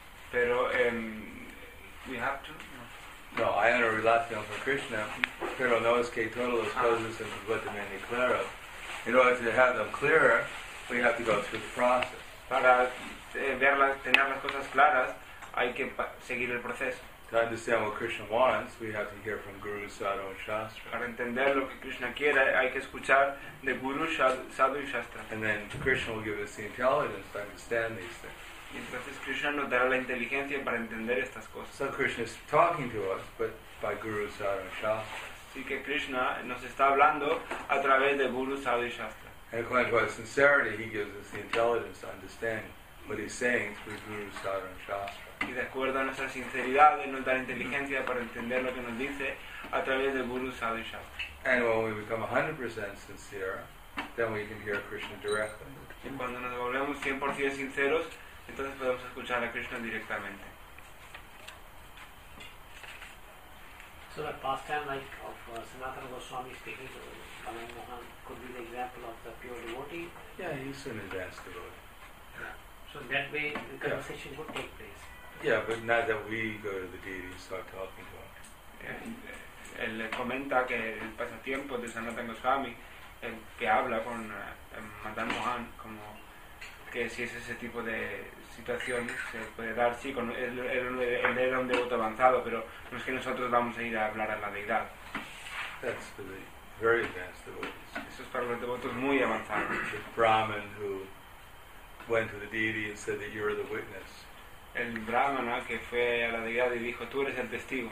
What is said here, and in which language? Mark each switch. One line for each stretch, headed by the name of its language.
Spanish: Pero
English: we have to.
Spanish: No, hay una relación con Krishna, pero no es que todas las cosas se pueden aclarar.
English: In order to have them clearer, we have to go through the process.
Spanish: Para tener las cosas claras, hay que seguir el proceso.
English: To understand what Krishna wants, we have to hear from Guru, Sadhu, and Shastra.
Spanish: Para entender lo que Krishna quiere, hay que escuchar de Guru, Sadhu, y Shastra.
English: And then Krishna will give us the intelligence to understand these things.
Spanish: Y entonces Krishna nos dará la inteligencia para entender estas cosas.
English: So Krishna is talking to us, but by Guru, Sadhu, and Shastra.
Spanish: Así que Krishna nos está hablando a través de Guru, Sadhu, y Shastra.
English: And according to our sincerity, he gives us the intelligence to understand what he's saying through Guru, Sadhu, and Shastra.
Spanish: Y de acuerdo a nuestra sinceridad, él nos da inteligencia para entender lo que nos dice a través de Guru, Sadhu, y Shastra.
English: And when we become 100% sincere, then we can hear Krishna directly.
Spanish: Y cuando nos volvemos 100% sinceros, entonces podemos escuchar a Krishna directamente.
English: So the pastime like of Sanatana Goswami speaking to Kamal Mohan could be the example of the pure devotee. Yeah, he's an advanced devotee. Yeah. So that way the conversation would take place. Yeah, but now that we go to the deity and start talking to him.
Spanish: Él comenta que el pasatiempo de Sanatana Goswami, que habla con Madan Mohan, como que si es ese tipo de situación se puede dar, sí, con él era un devoto avanzado, pero no es que nosotros vamos a ir a hablar a la deidad.
English: That's for the very advanced devotees.
Spanish: Eso es para los devotos muy avanzados.
English: The Brahman who went to the deity and said that you're the witness.
Spanish: El Brahmana que fue a la deidad y dijo, tú eres el testigo.